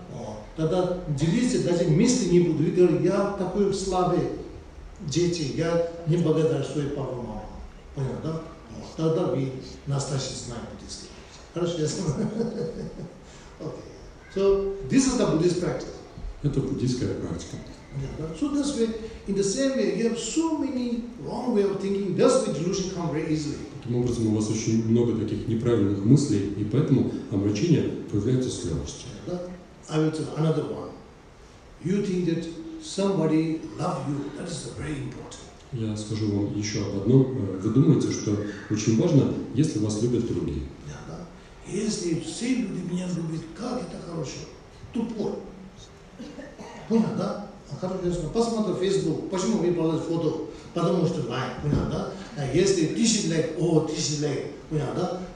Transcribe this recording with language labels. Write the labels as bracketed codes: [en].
[ru] О, тогда делиться даже мысли не буду. Вы говорите, я такой слабый, дети, я не благодарю своей папу маму. Понятно, да? О, тогда вы настоящий знаете буддийский. Хорошо, я знаю. [en] So, this is the Buddhist practice. [ru] Это буддийская практика. [en] Yeah, so that's why, in the same way, you have so many wrong way of thinking, that's why delusion comes very easily. [ru] Таким образом, у вас очень много таких неправильных мыслей, и поэтому омрачение появляется с легкостью. [en] I will tell another one. You think that somebody loves you, that is very important. [ru] Я скажу вам еще об одном. Вы думаете, что очень важно, если вас любят другие. Если все люди меня любят, как это хорошо? Тупой. Понятно, да? Посмотри Facebook, почему вы продали фото? Потому что лайк, понятно, да? А если 1000 лайк, о, 1000 лайк, понятно, да?